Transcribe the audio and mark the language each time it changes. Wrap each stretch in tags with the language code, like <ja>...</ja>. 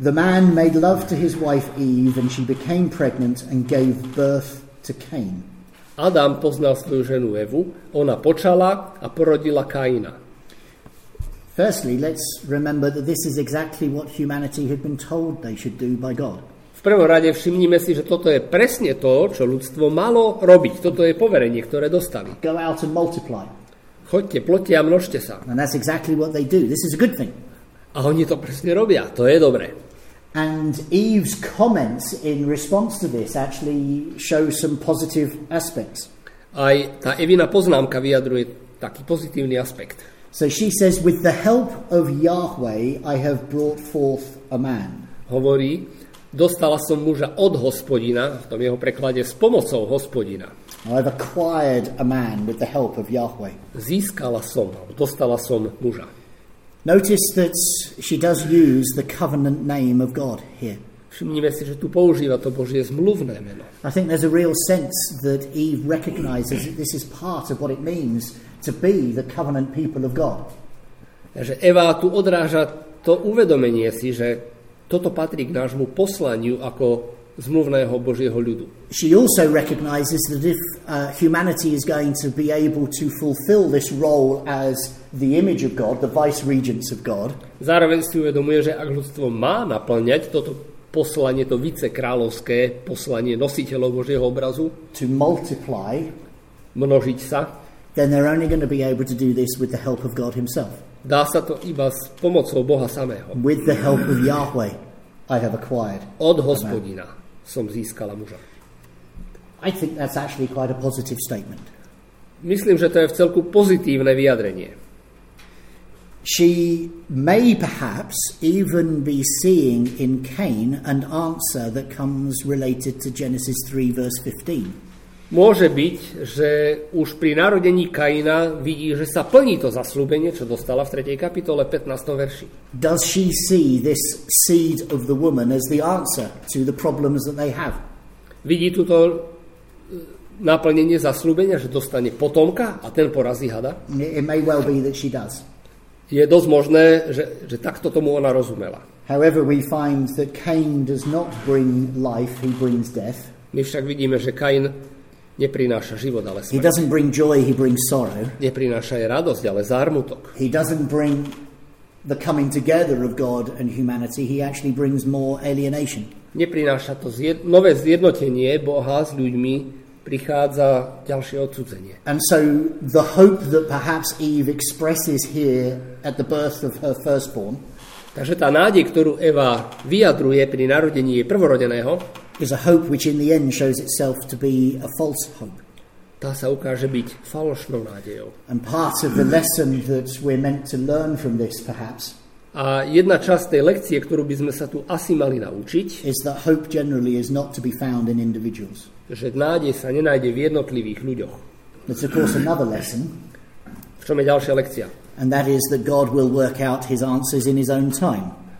<en>The man made love to his wife Eve and she became pregnant and gave birth to Cain.</en> <sk>Adam poznal svoju ženu Evu, ona počala a porodila Kaina.</sk> <en>Firstly, let's remember that this is exactly what humanity had been told they should do by God.</en> <sk>V prvom rade všimnime si, že toto je presne to, čo ľudstvo malo robiť. Toto je poverenie, ktoré dostali.</sk> <en>Go out and multiply.</en> <sk>Choďte, ploďte a množte sa.</sk> <en>And that's exactly what they do. This is a good thing.</en> <sk>A oni to presne robia. To je dobré.</sk> <en>And Eve's comments in response to this actually show some positive aspects.</en> <sk>Aj tá Evina poznámka vyjadruje taký pozitívny aspekt.</sk> <en>So she says, with the help of Yahweh, I have brought forth a man.</en> <sk>Hovorí, dostala som muža od Hospodina, v tom jeho preklade s pomocou Hospodina.</sk> <en>I have acquired a man with the help of Yahweh.</en> <sk>Získala som, dostala som muža.</sk> <en>Notice that she does use the covenant name of God here.</en> <sk>Všimnime si, že tu používa to Božie zmluvné meno.</sk> <en>I think there's a real sense that Eve recognizes that this is part of what it means to be the covenant people of God.</en> <sk>Takže Eva tu odráža to uvedomenie si, že toto patrí k nášmu poslaniu ako zmluvného Božieho ľudu.</sk> <en>She also recognizes that if humanity is going to be able to fulfill this role as the image of God, the vice regents of God.</en> <sk>Zároveň si uvedomuje, že ak ľudstvo má naplňať toto poslanie, to vicekráľovské poslanie nositeľov Božieho obrazu,</sk> <en>to multiply,</en> <sk>množiť sa,</sk> <en>then they're only going to be able to do this with the help of God himself.</en> <sk>Dá sa to iba s pomocou Boha samého.</sk> <en>With the help of Yahweh I have acquired.</en> <sk>Od Hospodina som získala muža.</sk> <en>I think that's actually quite a positive statement.</en> <sk>Myslím, že to je vcelku pozitívne vyjadrenie.</sk> <en>She may perhaps even be seeing in Cain an answer that comes related to Genesis 3 verse 15.</en> <sk>Môže byť, že už pri narodení Kaina vidí, že sa plní to zasľúbenie, čo dostala v 3. kapitole 15. verši.</sk> <en>Does she see this seed of the woman as the answer to the problems that they have?</en> <sk>Vidí túto naplnenie zasľúbenia, že dostane potomka a ten porazí hada?</sk> <en>It may well be that she does.</en> <sk>Je dosť možné, že takto tomu ona rozumela.</sk> <en>However, we find that Cain does not bring life, he brings death.</en> <sk>My však vidíme, že Kain neprináša život, ale smrť.</sk> <en>He doesn't bring joy, he brings sorrow.</en> <sk>Neprináša jej radosť, ale zármutok.</sk> <en>He doesn't bring the coming together of God and humanity, he actually brings more alienation.</en> <sk>Neprináša to nové zjednotenie Boha s ľuďmi, prichádza ďalšie odsudzenie.</sk> <en>And so the hope that perhaps Eve expresses here at the birth of her firstborn,</en> <sk>takže tá nádej, ktorú Eva vyjadruje pri narodení jej prvorodeného,</sk> <en>is a hope which in the end shows itself to be a false hope.</en> <sk>Tá sa ukáže byť falošnou nádejou.</sk> <en>And part of the lesson that we're meant to learn from this perhaps,</en> <sk>a jedna časť tej lekcie, ktorú by sme sa tu asi mali naučiť,</sk> <en>is that hope generally is not to be found in individuals.</en> <sk>Že nádej sa nenájde v jednotlivých ľuďoch.</sk> <en>That's of course another lesson.</en> <sk>V čom je ďalšia lekcia?</sk> <en>And that is that God will work out his answers in his own time.</en>